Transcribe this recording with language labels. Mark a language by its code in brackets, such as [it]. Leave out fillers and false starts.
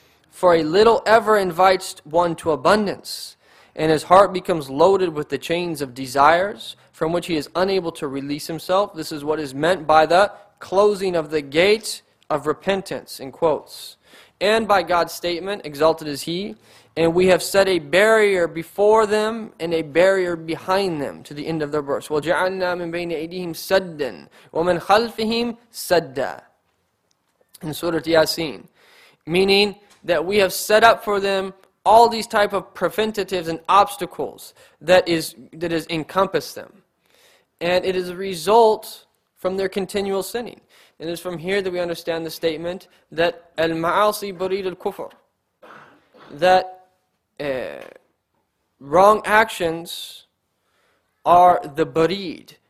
[en] For a little ever invites one to abundance, and his heart becomes loaded with the chains of desires from which he is unable to release himself. This is what is meant by the closing of the gate of repentance, in quotes. And by God's statement, exalted is He, and we have set a barrier before them and a barrier behind them, to the end of their verse. [ar] وَجَعَلْنَا مِنْ بَيْنِ أَيْدِهِمْ سَدًّا وَمِنْ خَلْفِهِمْ سَدًّا, in Surah Yasin. [en] Meaning that we have set up for them all these type of preventatives and obstacles that is encompassed them. And it is a result from their continual sinning. And it is from here that we understand the statement that [ar] al-ma'asi burid al-kufr, [en] that wrong actions are the burid.